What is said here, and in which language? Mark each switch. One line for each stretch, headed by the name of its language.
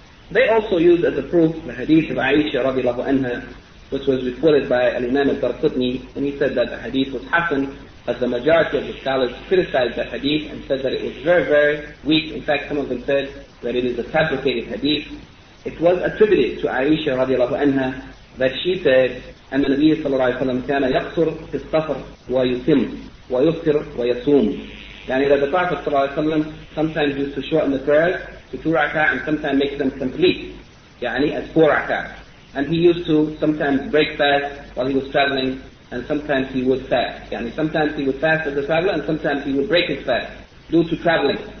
English: They also used as a proof the hadith of Aisha radiallahu anha, which was reported by Al-Imam al-Darqutni, and he said that the hadith was hasan. But the majority of the scholars criticized the hadith and said that it was very, very weak. In fact, some of them said that it is a fabricated hadith. It was attributed to Aisha radiallahu anha that she said,
Arabic: أَنَّ النَّبِيَّ صَلَّى اللَّهُ عَلَيْهِ وَسَلَّمَ كَانَ يَقْصُرْ فِي السَّفَرْ وَيُسِمْ وَيُفْتِرْ وَيَسُومْ.
English: يعني that the Prophet صلى الله عليه وسلم sometimes used to shorten the prayers to 2 rak'ah and sometimes make them complete, يعني as 4 rak'ah. And he used to sometimes break fast while he was traveling, and sometimes he would fast. Sometimes he would fast as a traveler, and sometimes he would break his fast due to traveling.